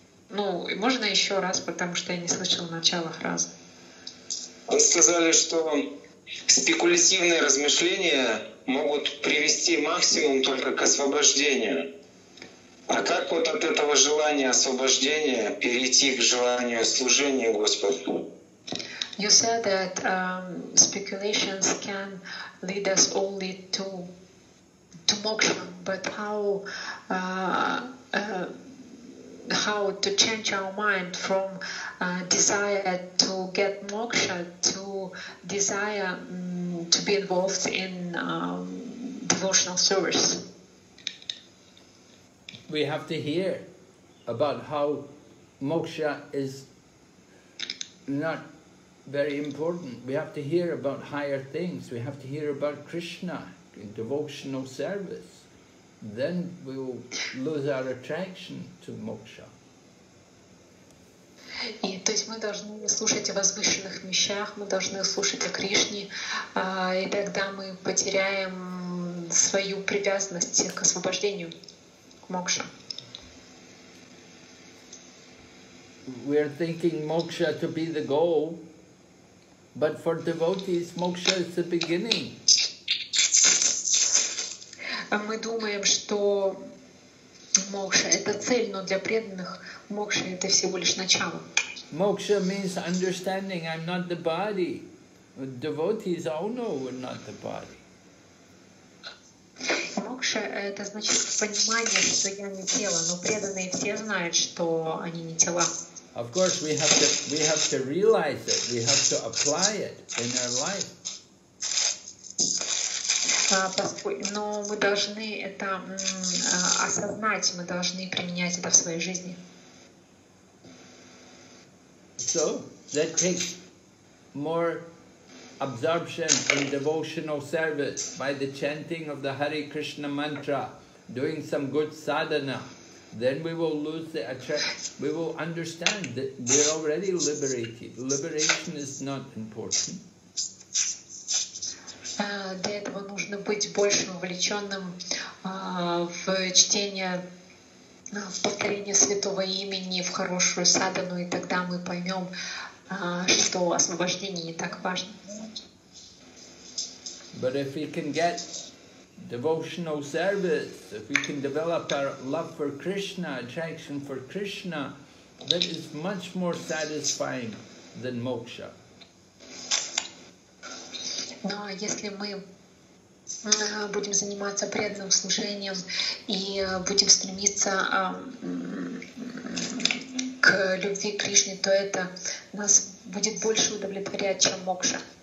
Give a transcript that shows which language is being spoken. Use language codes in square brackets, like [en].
[ru] Ну, можно еще раз, потому что я не слышала начала фразы. Вы сказали, что спекулятивные размышления могут привести максимум только к освобождению. А как вот от этого желания освобождения перейти к желанию служения Господу? [en] You said that speculations can lead us only to moksha, but how to change our mind from desire to get moksha to desire to be involved in devotional service? We have to hear about how moksha is not very important. We have to hear about higher things. We have to hear about Krishna in devotional service. Then we will lose our attraction to moksha. [ru] И то есть мы должны слушать о возвышенных вещах, мы должны слушать о Кришне, и тогда мы потеряем свою привязанность к освобождению, к мокше. [en] We are thinking moksha to be the goal. But for devotees, moksha is the beginning. [ru] Мы думаем, что мокша — это цель, но для преданных мокша — это всего лишь начало. [en] Moksha means understanding I'm not the body. Devotees all know we're not the body. [ru] Мокша — это значит понимание, что я не тело, но преданные все знают, что они не тела. [en] Of course, we have to realize it. We have to apply it in our life. [ru] Но мы должны это осознать. Мы должны применять это в своей жизни. [en] So that takes more absorption in devotional service by the chanting of the Hare Krishna mantra, doing some good sadhana. Then we will lose the attraction. We will understand that we're already liberated. Liberation is not important. [ru] Для этого нужно быть больше вовлеченным в чтение, в повторение святого имени, в хорошую садхану, и тогда мы поймем, что освобождение не так важно. [en] But if we can get devotional service, if we can develop our love for Krishna, attraction for Krishna, that is much more satisfying than moksha. [ru] Но если мы будем заниматься преданным служением и будем стремиться к любви к Кришне, то это нас будет больше удовлетворять, чем мокша.